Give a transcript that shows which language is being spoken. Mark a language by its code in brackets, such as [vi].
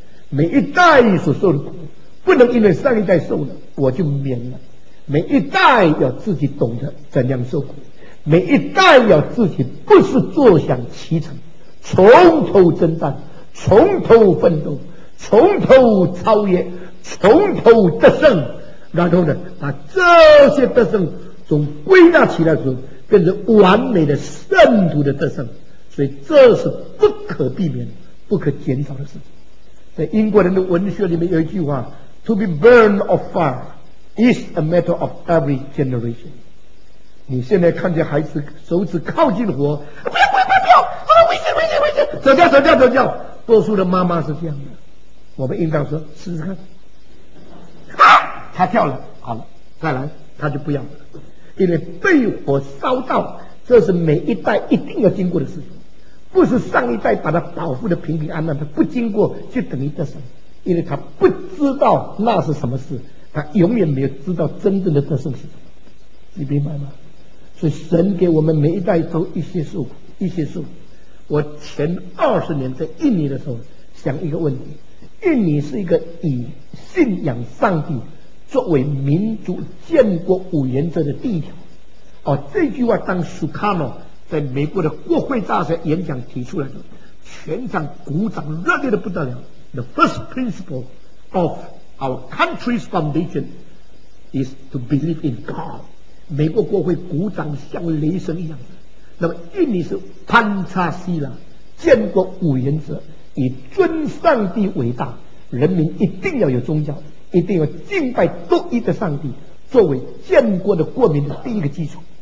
[zh] 每一代所受的苦，不能因为上一代受了我就免了，每一代要自己懂得怎样受苦，每一代要自己不是坐享其成，从头征战，从头奋斗，从头超越，从头得胜。然后呢，把这些得胜总归纳起来的时候，变成完美的圣徒的得胜。所以这是不可避免不可减少的事情。在英国人的文学里面有一句话， [en] To be burned of fire is a matter of every generation。 [zh] 你现在看见孩子手指靠近火，不要不要不要不要，危险危险危险，走掉走掉走掉。多数的妈妈是这样的，我们应当说试试看，啊，他跳了，好了，再来，他就不要了，因为被火烧到，这是每一代一定要经过的事情，不是上一代把他保护的平平安安，他不经过就等于得胜，因为他不知道那是什么事，他永远没有知道真正的得胜是什么，你明白吗？所以神给我们每一代都一些受苦，一些受苦。我前20年在印尼的时候想一个问题，印尼是一个以信仰上帝作为民族建国五原则的第一条，哦，这句话当苏卡诺在美国的国会大学演讲提出来的，全场鼓掌热烈的不得了。 [en] The first principle of our country's foundation is to believe in God。 [zh] 美国国会鼓掌像雷声一样的。那么印尼是潘查西拉建国五原则，以尊上帝为大，人民一定要有宗教，一定要敬拜独一的上帝，作为建国的国民的第一个基础。